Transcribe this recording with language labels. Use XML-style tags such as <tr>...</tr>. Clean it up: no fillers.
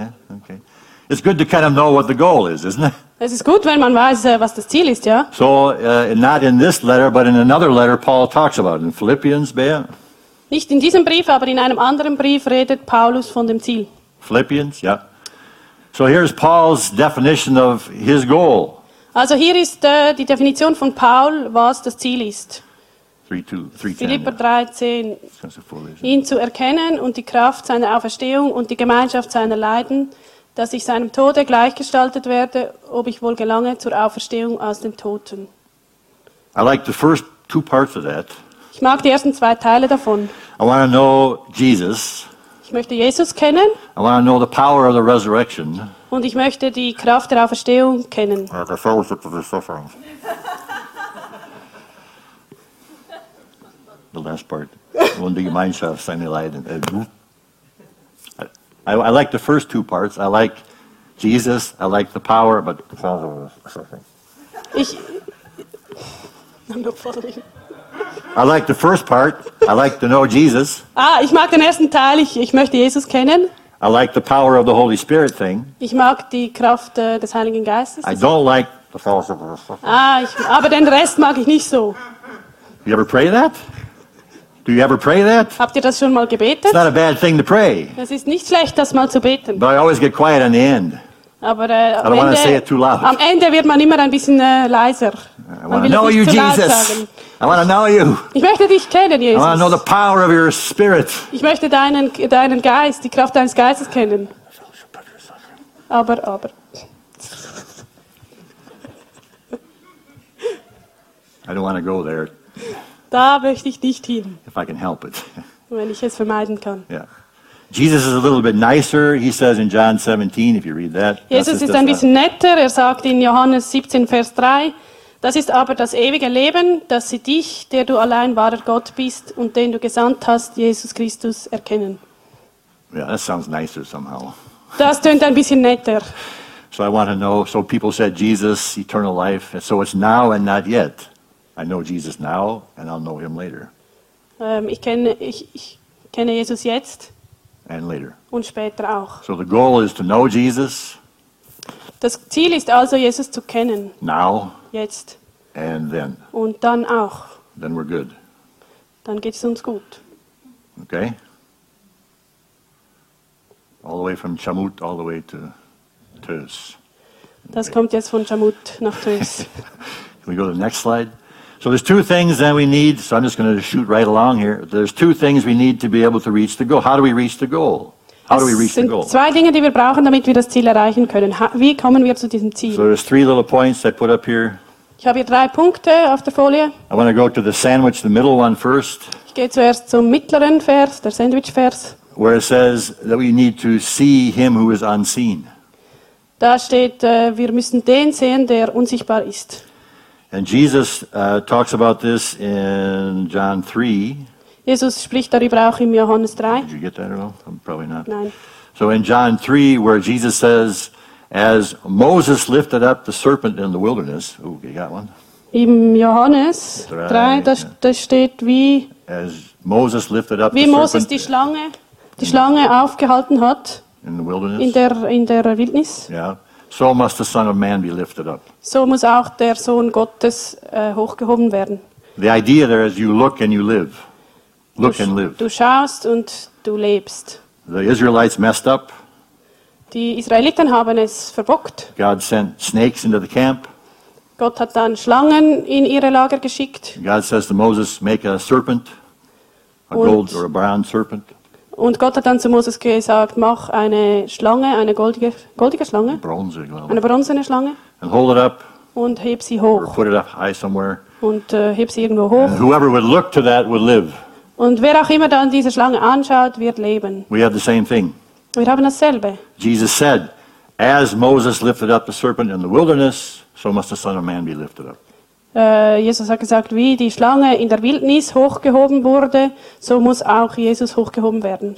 <en>Okay. It's good to kind of know what the goal is, isn't it?</en> <de>Es ist gut, wenn man weiß, was das Ziel ist, ja.</de> <en>So, not in this letter, but in another letter, Paul talks about it. In Philippians, Bea.</en> <de>Nicht in diesem Brief, aber in einem anderen Brief redet Paulus von dem Ziel.</de> <en>Philippians, ja. So here's Paul's definition of his goal.</en> <de>Also hier ist die Definition von Paul, was das Ziel ist.</de> <en>3:10.</en> <de>Philipper 3:10. Ihn zu erkennen und die Kraft seiner Auferstehung und die Gemeinschaft seiner Leiden, dass ich seinem Tode gleichgestaltet werde, ob ich wohl gelange zur Auferstehung aus den Toten.</de> <en>I like the first two parts of that.</en> <de>Ich mag die ersten zwei Teile davon.</de> <en>I want to know Jesus.</en> <de>Ich möchte Jesus kennen.</de> <en>I want to know the power of the resurrection.</en> <de>Und ich möchte die Kraft der Auferstehung kennen.</de> <en>Yeah, the fellowship of his suffering. The last part.</en> <de>Und die Gemeinschaft seiner Leiden.</de> <en>I like the first two parts. I like Jesus. I like the power, but the fellowship of his suffering. I'm not following. I like the first part. I like to know Jesus.</en> <de>Ah, ich mag den ersten Teil. Ich möchte Jesus kennen.</de> <en>I like the power of the Holy Spirit thing.</en> <de>Ich mag die Kraft des Heiligen Geistes.</de> <en>I don't like the fellowship of the suffering.</en> <de>Aber den Rest mag ich nicht so.</de> <en>You ever pray that? Do you ever pray that?</en> <de>Habt ihr das schon mal gebetet?</de> <en>It's not a bad thing to pray.</en> <de>Es ist nicht schlecht, das mal zu beten.</de> <en>But I always get quiet on the end.</en> <de>Aber</de> <en>I don't want to say it too loud.</en> <de>Am Ende wird man immer ein bisschen leiser.</de> <en>I want to know you, Jesus. I want to know you.</en> <de>Ich möchte dich kennen, Jesus.</de> <en>I want to know the power of your spirit.</en> <de>Ich möchte deinen Geist, die Kraft deines Geistes kennen. Aber.</de> <en>I don't want to go there.</en> <de>Da möchte ich nicht hin.</de> <en>If I can help it.</en> <de>Wenn ich es vermeiden kann.</de> <en>Yeah. Jesus is a little bit nicer, he says in John 17, if you read that.</en> <de>Jesus ist ein bisschen netter, sagt in Johannes 17, Vers 3, das ist aber das ewige Leben, dass sie dich, der du allein wahrer Gott bist und den du gesandt hast, Jesus Christus, erkennen.</de> <en>Yeah, that sounds nicer somehow.</en> <de>Das tönt ein bisschen netter.</de> <en>So I want to know, so people said Jesus, eternal life, so it's now and not yet. I know Jesus now and I'll know him later.</en> <de>Ich kenne Jesus jetzt.</de> <en>And later.</en> <de>Und später auch.</de> <en>So the goal is to know Jesus.</en> <de>Das Ziel ist also, Jesus zu kennen.</de> <en>Now.</en> <de>Jetzt.</de> <en>And then.</en> <de>Und dann auch.</de> <en>Then we're good.</en> <de>Dann geht es uns gut.</de> <en>Okay. All the way from Chamut all the way to Tös.</en> <de>Das okay. Kommt jetzt von Chamut nach Tös.</de> <en>Can we go to the next slide? So there's two things that we need. So I'm just going to shoot right along here. There's two things we need to be able to reach the goal. How do we reach the goal? How do we reach the goal?</en> <de>Zwei Dinge, die wir brauchen, damit wir das Ziel erreichen können. Wie kommen wir zu diesem Ziel?</de> <en>So there's three little points I put up here.</en> <de>Ich habe hier drei Punkte auf der Folie.</de> <en>I want to go to the sandwich, the middle one first.</en> <de>Ich gehe zuerst zum mittleren Vers, der Sandwich-Vers.</de> <en>Where it says that we need to see him who is unseen.</en> <de>Da steht, wir müssen den sehen, der unsichtbar ist.</de> <en>And Jesus talks about this in John 3.</en> <de>Jesus spricht darüber auch in Johannes 3.</de> <en>Did you get that at all? Probably not.</en> <de>Nein.</de> <en>So in John 3, where Jesus says, as Moses lifted up the serpent in the wilderness. Oh, you got one?</en> <de>In Johannes 3, das steht wie,</de> <en>as Moses lifted up</en> <de>wie Moses serpent, die Schlange aufgehalten hat.</de> <en>In the wilderness.</en> <de>In der Wildnis.</de> <en>Yeah. So must the Son of Man be lifted up.</en> <de>So muss auch der Sohn Gottes hochgehoben werden.</de> <en>The idea there is you look and you live. Look and live.</en> <de>Du schaust und du lebst.</de> <en>The Israelites messed up.</en> <de>Die Israeliten haben es verbockt.</de> <en>God sent snakes into the camp.</en> <de>Gott hat dann Schlangen in ihre Lager geschickt.</de> <en>God says to Moses, make a serpent, a gold or a brown serpent.</en> <de>Und Gott hat dann zu Moses gesagt, mach eine Schlange, eine goldige Schlange. Bronze, glaube ich. Eine bronzene Schlange.</de> <en>And hold it up.</en> <de>Und heb sie hoch.</de> <en>Or put it up high somewhere.</en> <de>Und heb sie irgendwo hoch.</de> <en>And whoever would look to that would live.</en> <de>Und wer auch immer dann diese Schlange anschaut, wird leben.</de> <en>We have the same thing.</en> <de>Wir haben dasselbe.</de> <en>Jesus said, as Moses lifted up the serpent in the wilderness, so must the Son of Man be lifted up.</en> <de>Jesus hat gesagt, wie die Schlange in der Wildnis hochgehoben wurde, so muss auch Jesus hochgehoben werden.</de>